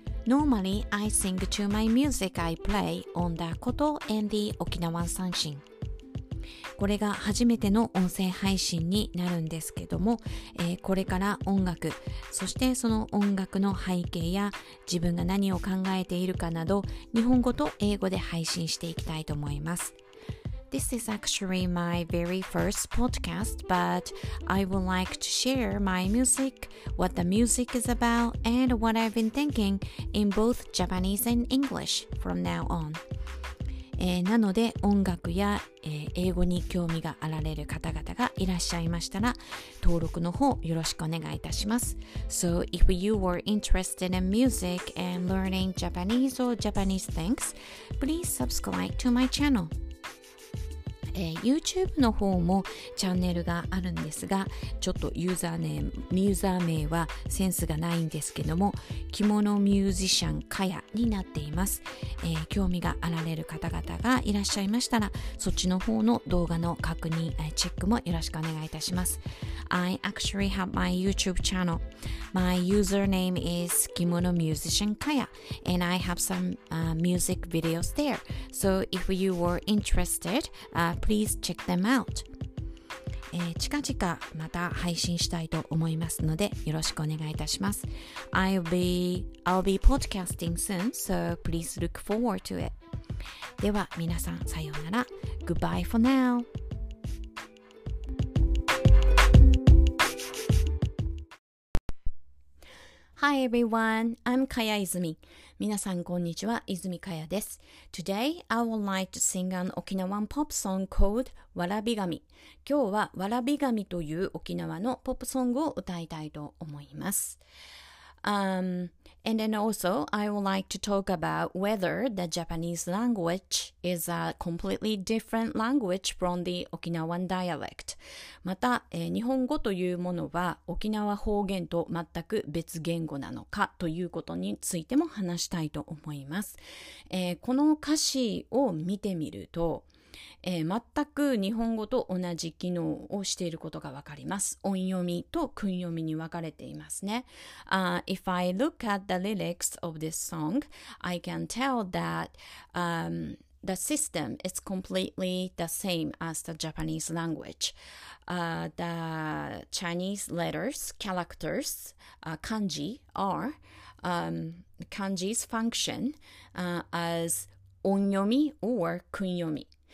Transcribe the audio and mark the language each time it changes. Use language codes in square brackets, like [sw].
[en] Normally, I sing to my music I play on the koto and the Okinawan 三線。 [ja] これが初めての音声配信になるんですけども、これから音楽、そしてその音楽の背景や自分が何を考えているかなど、日本語と英語で配信していきたいと思います。 [en] This is actually my very first podcast, but I would like to share my music, what the music is about, and what I've been thinking in both Japanese and English from now on. [ja] なので音楽や、英語に興味があられる方々がいらっしゃいましたら登録の方よろしくお願いいたします。 [en] So if you were interested in music and learning Japanese or Japanese things, please subscribe to my channel. [ja] YouTube の方もチャンネルがあるんですが、ちょっとユーザー名はセンスがないんですけども、着物ミュージシャンかやになっています。興味があられる方々がいらっしゃいましたら、そっちの方の動画の確認、チェックもよろしくお願いいたします。 [en] I actually have my YouTube channel. My username is 着物ミュージシャンかや and I have some、music videos there. So if you were interested,Please check them out. [ja] 近々また配信したいと思いますのでよろしくお願いいたします。 [en] I'll be podcasting soon, so please look forward to it. [ja] では皆さんさようなら。 [en] Goodbye for now. Hi everyone, I'm Kaya Izumi. [ja] 皆さんこんにちは、泉かやです。 [en] Today, I would like to sing an Okinawan pop song called わらび神。 [ja] 今日はわらび神という沖縄のポップソングを歌いたいと思います。 [en] And then also, I would like to talk about whether the Japanese language is a completely different language from the Okinawan dialect. [ja] また、日本語というものは沖縄方言と全く別言語なのかということについても話したいと思います。この歌詞を見てみると、全く日本語と同じ機能をしていることがわかります。音読みと訓読みに分かれていますね。 [en] If I look at the lyrics of this song, I can tell that、the system is completely the same as the Japanese language. The Chinese letters, characters,、kanji are、kanji's function、as 音読み or 訓読み。